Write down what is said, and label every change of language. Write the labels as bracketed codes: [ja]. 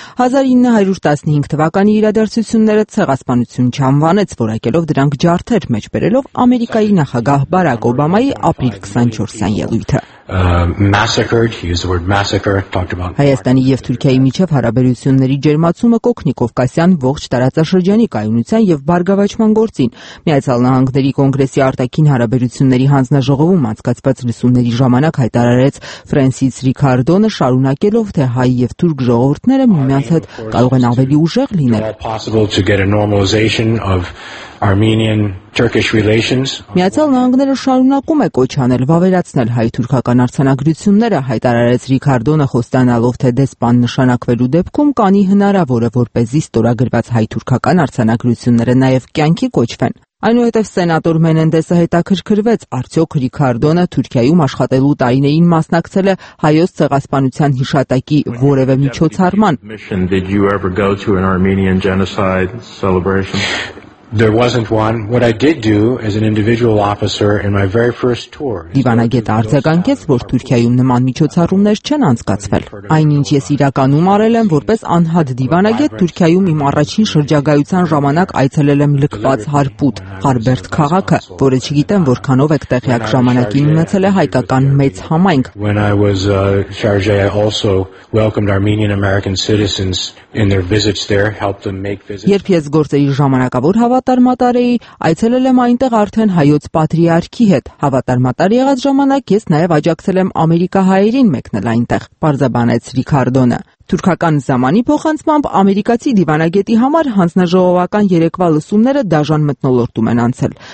[hy] 1915 թվականի իրադարձությունները ցեղասպանություն չանվանեց, որակելով դրանք ջարդեր, մեջբերելով Ամերիկայի նախագահ Բարակ Օբամայի ապրիլ 24-յան ելույթը։ Հայաստանի և Թուրքիայի միջև հարաբերությունների ջերմացումը կօգնի Կովկասյան ողջ տարածաշրջանի կայունության և բարգավաճման գործին։ Միացյալ Նահանգների կոնգրեսի Արտաքին Հարաբերությունների Հանձնաժողովում անցկացված լսումների ժամանակ հայտարարեց Ֆրանսիս Ռիկարդոնը, շարունակելով, թե հայ և թուրք ժողովուրդները միմյանց հետ կարող են ավելի ուժեղ լինել։ [en] Armenian-Turkish relations. [hy] Միացյալ Նահանգները շարունակում է կոչ անել վավերացնել հայ-թուրքական արձանագրությունները, հայտարարեց Ռիկարդոնը, խոստանալով, թե դեսպան նշանակվելու դեպքում կանի հնարավոր է, որպեսզի ստորագրված հայ-թուրքական արձանագրությունները նաև կյանքի կոչվեն։ Այնուհետև սենատոր Մենենդեսը հետաքրքրվեց, արդյոք Ռիկարդոնը Թուրքիայում աշխատելու տարիներին մասնակցել է հայոց ցեղասպանության հիշատակի որևէ միջոցառման։ [en] There wasn't one. What I did do as an individual officer in my very first tour. [hy] Դիվանագետ արձագանքեց, որ Թուրքիայում նման միջոցառումներ չեն անցկացվել։ Այնինչ ես իրականում արել եմ, որպես անհատ դիվանագետ Թուրքիայում իմ առաջին շրջագայության ժամանակ այցելել եմ լքված Հարպուտ, Հարբերտ քաղաքը, որը չգիտեմ որքանով է տեղյակ ժամանակի ունեցել է հայկական մեծ համայնք։ [en] When I was chargé, I also welcomed Armenian American citizens in their visits there, helped them make visits. [hy] Երբ ես գործերի ժամանակավոր հավատարմատարեի, այցելել եմ այնտեղ արդեն հայոց պատրիարքի հետ։ Հավատարմատար եղած ժամանակ ես նաև աջակցել եմ Ամերիկա հայերին մեկնել այնտեղ, պարզաբանեց Ռիկարդոնը։ Թուրքական ժամանի փոխանցմամբ ամերիկացի դիվանագետի համար հանձնաժողովական երեկվա լսումները դաժան մթնոլորտում են անցել։